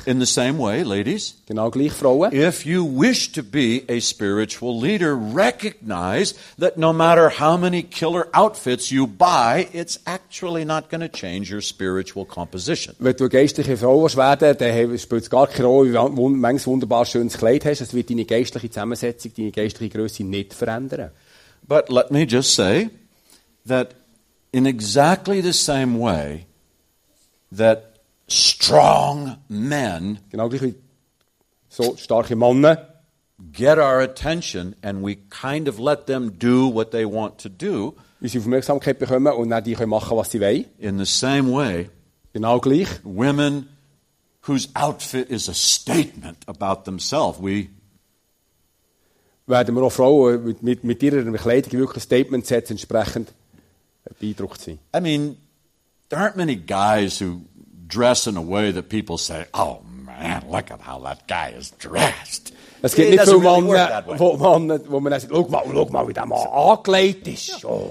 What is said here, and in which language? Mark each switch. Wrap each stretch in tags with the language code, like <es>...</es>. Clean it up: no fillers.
<en>So, in the same way, ladies,</en> <de>genau gleich, Frauen,</de> <en>if you wish to be a spiritual leader, recognize that no matter how many killer outfits you buy, it's actually not going to change your spiritual composition.</en> <de>Wenn du geistliche Frau willst werden, dann spielt es gar keine Rolle, wie du ein wunderbar schönes Kleid hast. Es wird deine geistliche Zusammensetzung, deine geistliche Größe nicht verändern.</de> <en>But let me just say that in exactly the same way that strong men,</en> <de>genau gleich wie so starke Männer,</de> <en>get our attention and we kind of let them do what they want to do.</en> <de>Unsere Aufmerksamkeit bekommen und dann die können machen, was sie wollen.</de> <en>In the same way,</en> <de>genau gleich,</de> <en>women whose outfit is a statement about themselves, we</en> <de>werden wir auch Frauen mit ihrer Kleidung wirklich ein Statement setzen, entsprechend beeindruckt sein.</de> <en>I mean, there aren't many guys who dress in a way that people say, oh man, look at how that guy is dressed.</en> <de>Es gibt nicht viele Männer, wo man sagt, look mal, wie der mal angelegt ist.</de>